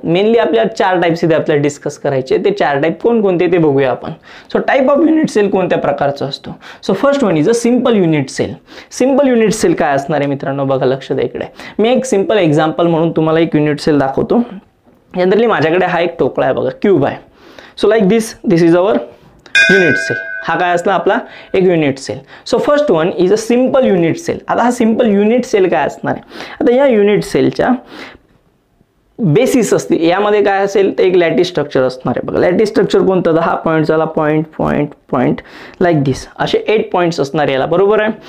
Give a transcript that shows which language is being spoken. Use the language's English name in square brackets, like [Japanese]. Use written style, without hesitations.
[Marathi] Mainly आपल्या चार types इथे आपल्याला डिस्कस करायचे, ते चार टाईप कोणकोणते ते बघूया आपण. [English] so type of unit cell [Marathi] कोणत्या प्रकारचा असतो. [English] So first one is a simple unit cell. [Marathi] Simple unit sale काय असणार आहे मित्रांनो, बघा लक्ष द्या इकडे. मी एक सिम्पल एक्झाम्पल म्हणून तुम्हाला एक युनिट सेल दाखवतो. जनरली माझ्याकडे हा एक टोकळा आहे बघा, क्यूब आहे. [English] So like this this is our unit cell. [Marathi] हा काय असला आपला एक unit sale. [English] So first one is a simple unit cell. [Marathi] आता हा सिंपल युनिट सेल काय असणार आहे, आता या युनिट सेलच्या बेसिस असतील, यामध्ये काय असेल तर एक लॅटिस स्ट्रक्चर असणार आहे. बघा लॅटिस स्ट्रक्चर कोणतं, तर हा पॉईंट झाला पॉईंट पॉईंट पॉईंट लाईक दिस, असे 8 पॉईंट्स असणार याला, बरोबर आहे.